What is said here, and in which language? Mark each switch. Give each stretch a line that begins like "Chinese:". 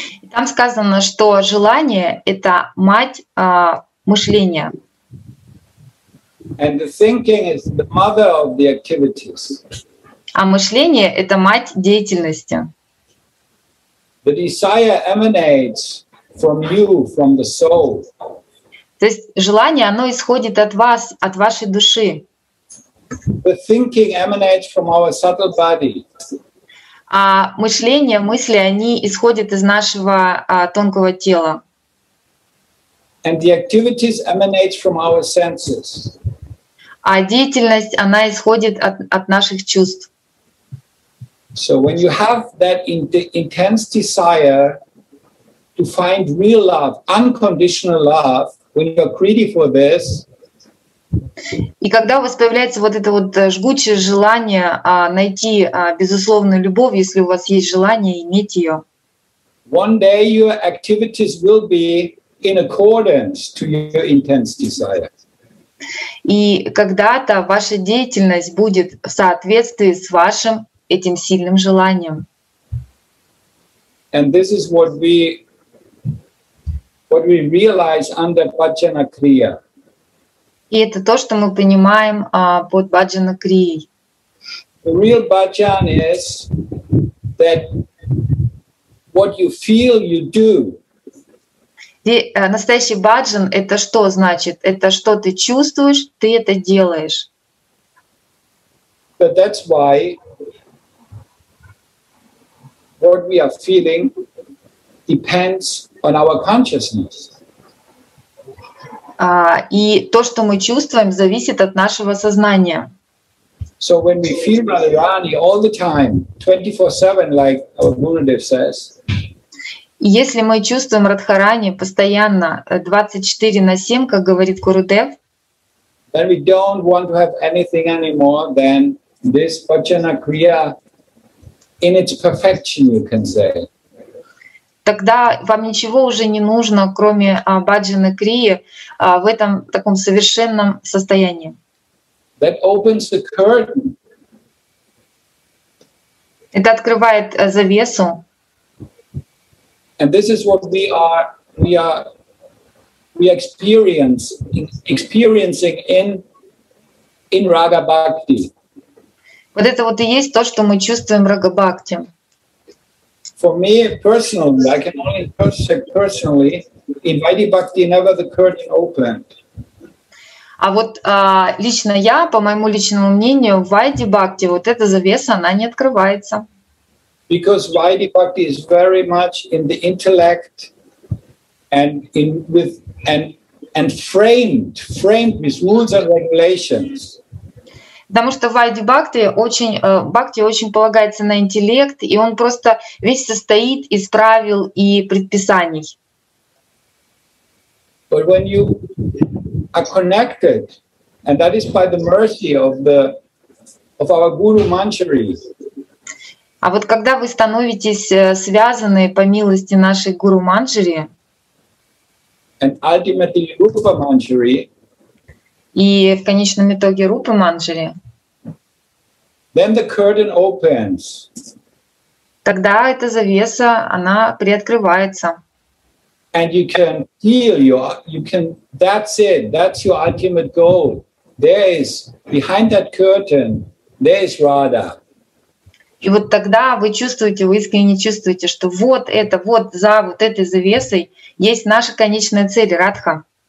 Russian: Там сказано, что желание — это мать мышления.
English: And the thinking is the mother of the activities.
Russian: А мышление — это мать деятельности.
English: The desire emanates from you, from the soul.
Russian: То есть желание, оно исходит от вас, от вашей души.
English: The thinking emanates from our subtle body.
Russian: А мышление, мысли, они исходят из нашего тонкого тела.
English: And the activities emanate from our senses.
Russian: А деятельность, она исходит от наших чувств.
English: So when you have that intense desire to find real love, unconditional love, when you are greedy for this.
Russian: И когда у вас появляется вот это вот жгучее желание найти безусловную любовь, если у вас есть желание иметь ее.
English: One day your activities will be in accordance to your intense desire.
Russian: И когда-то ваша деятельность будет в соответствии с вашим этим сильным желанием.
English: And this is what we realize under Bhajana Kriya.
Russian: И это то, что мы понимаем под Bhajana Kriya.
English: The real Bhajan is that what you feel you do.
Russian: И настоящий Bhajan — это что значит? Это что ты чувствуешь, ты это делаешь.
English: But that's why what we are feeling depends on our consciousness.
Russian: И то, что мы чувствуем, зависит от нашего сознания.
English: So when we feel Radharani all the time, 24/7, like our Gurudev says.
Russian: Если мы чувствуем Радхарани постоянно, 24/7, как говорит Гурудев.
English: Then we don't want to have anything anymore than this Bhajana Kriya in its perfection, you can say.
Russian: Тогда вам ничего уже не нужно, кроме Bhajana Kriya, в этом таком совершенном состоянии.
English: That opens the curtain.
Russian: Это открывает завесу.
English: And this is what we are experiencing in Raga Bhakti.
Russian: Вот это вот и есть то, что мы чувствуем в Рага Бхакти.
English: For me personally, I can only say personally, in Vaidhi Bhakti never the curtain opened.
Russian: А вот лично я, по моему личному мнению, в Vaidhi Bhakti вот эта завеса, она не открывается.
English: Because Vaidhi Bhakti is very much in the intellect and framed with rules and regulations.
Russian: Потому что Вайди Бхакти очень полагается на интеллект, и он просто весь состоит из правил и предписаний.
English: But when you are connected, and that is by the mercy of our Guru Manjari.
Russian: А вот когда вы становитесь связаны по милости нашей Гуру Манджари,
English: and ultimately Rupa Manjari,
Russian: и в конечном итоге Рупа Манджари,
English: then the curtain opens.
Russian: Тогда эта завеса, она приоткрывается.
English: And you can feel that's it, that's your ultimate goal. There is, behind that curtain, there is Radha.
Russian: И вот тогда вы чувствуете, вы искренне чувствуете, что вот это, вот за вот этой завесой есть наша конечная цель, Радха.